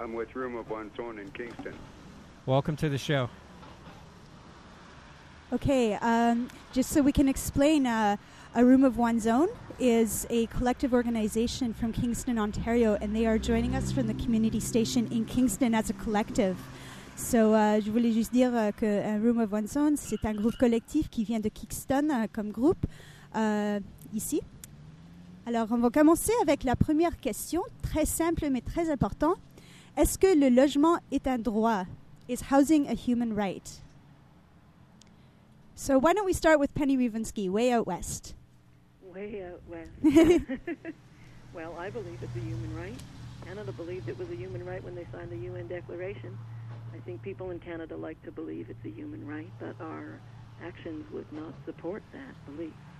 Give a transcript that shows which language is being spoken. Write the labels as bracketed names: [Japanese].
[English] Yeah, I'm with Room of One Tone in Kingston. Welcome to the show. Okay, just so we can explain... A Room of One's Own is a collective organization from Kingston, Ontario, and they are joining us from the community station in Kingston as a collective. [French] So, je voulais juste dire que A Room of One's Own, c'est un groupe collectif qui vient de Kingston comme groupe ici. Alors, on va commencer avec la première question, très simple mais très importante. Est-ce que le logement est un droit? [English] Is housing a human right? So why don't we start with Penny Rivinsky, way out west. Way out west. Well, I believe it's a human right. Canada believed it was a human right when they signed the UN Declaration. I think people in Canada like to believe it's a human right, but our actions would not support that belief.